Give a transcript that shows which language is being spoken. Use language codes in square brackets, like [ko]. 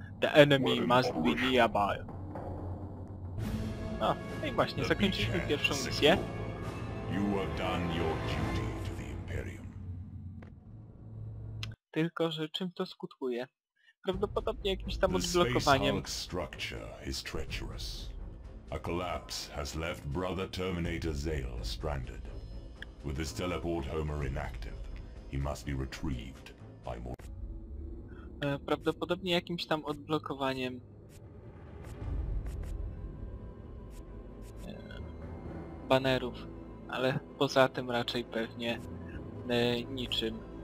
[en] The enemy must be nearby. [pl] No, i właśnie, zakończyliśmy pierwszą misję. [en] You have done your duty to the Imperium. [pl] Tylko, że czym to skutkuje? Prawdopodobnie jakimś tam odblokowaniem. [en] The Space Hulk structure is treacherous. A collapse has left brother Terminator Zael stranded. With his teleport homer inactive, he must be retrieved by more... [pl] Prawdopodobnie jakimś tam odblokowaniem. Banerów, ale poza tym raczej pewnie niczym.